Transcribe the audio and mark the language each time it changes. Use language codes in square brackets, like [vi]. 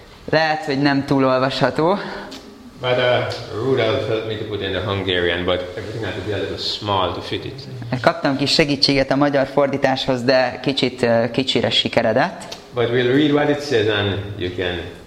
[hu] Lehet, hogy nem túl olvasható. [en] But Rudolf helped me to put in the Hungarian, but everything had to be a little small to fit it. [hu] Kaptam kis segítséget a magyar fordításhoz, de kicsit kicsire sikeredett. [en] But we'll read what it says and you can...